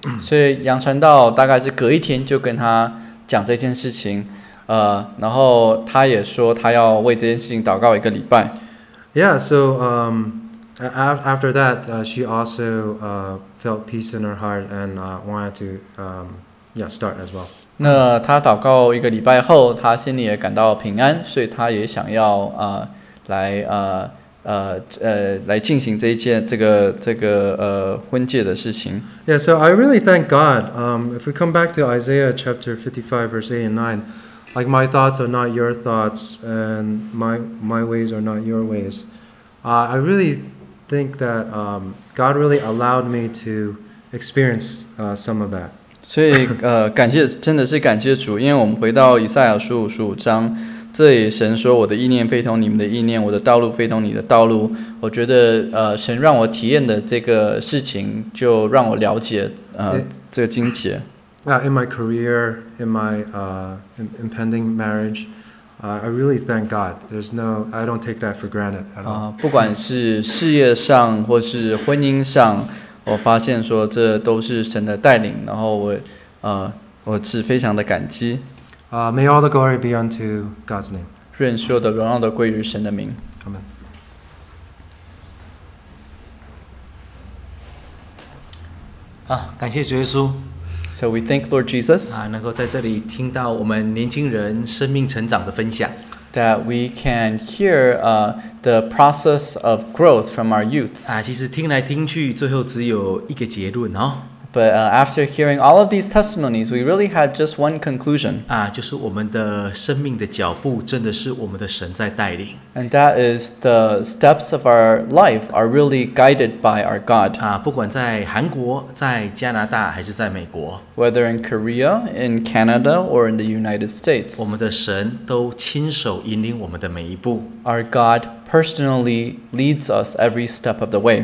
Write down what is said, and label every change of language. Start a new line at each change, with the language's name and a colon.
Chinese: 所以杨传道大概是隔一天就跟他讲这件事情，然后他也说他要为这件事情祷告一个礼拜。
English: Yeah, so after that, she also felt peace in her heart and wanted to start as well.
Chinese: 那他祷告一个礼拜后，他心里也感到平安，所以他也想要来进行这个婚戒的事情。
English: Yeah, so I really thank God. If we come back to Isaiah chapter 55, verse 8 and 9, like my thoughts are not your thoughts, and my ways are not your ways. I really think that God really allowed me to experience some of that.
Chinese: 所以感谢真的是感谢主，因为我们回到以赛亚书55章。这里神说，我的意念非同你们的意念，我的道路非同你的道路。我觉得神让我体验的这个事情，就让我了解这个经节。
English: In my career, in my impending marriage, I really thank God. I don't take that for granted at all.
Chinese: 不管是事业上或是婚姻上，我发现说这都是神的带领，然后我是非常的感激。
English: May all the glory be unto God's name.
Chinese: 愿所有的荣耀都归于神的名。
English: Amen.
Chinese: Ah, 感谢主耶稣。
English: So we thank Lord Jesus.
Chinese: 能够在这里听到我们年轻人生命成长的分享。
English: That we can hear the process of growth from our youths.
Chinese: 其实听来听去，最后只有一个结论哦。
English: But But after hearing all of these testimonies, we really had just one conclusion.
Chinese: 啊，就是我们的生命的脚步真的是我们的神在带领。
English: And that is the steps of our life are really guided by our God.
Chinese: 啊，不管在韩国、在加拿大还是在美国。
English: Whether in Korea, in Canada, or in the United States.
Chinese: 我们的神都亲手引领我们的每一步。
English: Our God personally leads us every step of the way.